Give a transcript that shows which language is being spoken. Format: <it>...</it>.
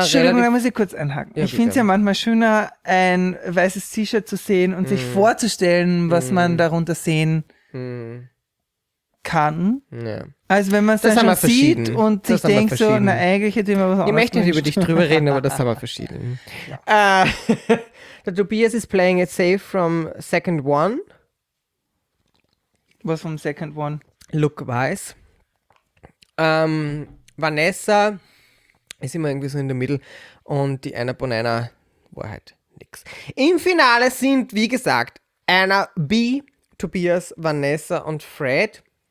<de>Entschuldigung, da muss ich kurz einhaken. Ja, ich finde es ja manchmal schöner, ein weißes T-Shirt zu sehen und sich vorzustellen, was man darunter sehen kann. Ja. Als wenn man es dann schon sieht und sich denkt so, na eigentlich hätte ich mir was anderes. Ich möchte nicht über dich drüber reden, aber das haben wir verschieden. Ja.</de> <en>der Tobias is playing it safe from second one.</en> <de>Was vom</de> <en>second one? Look wise.</en> <de>Vanessa ist immer irgendwie so in der Mitte und die Anna Bonanna war halt nix. Im Finale sind, wie gesagt, Anna B, Tobias, Vanessa und Fred.</de>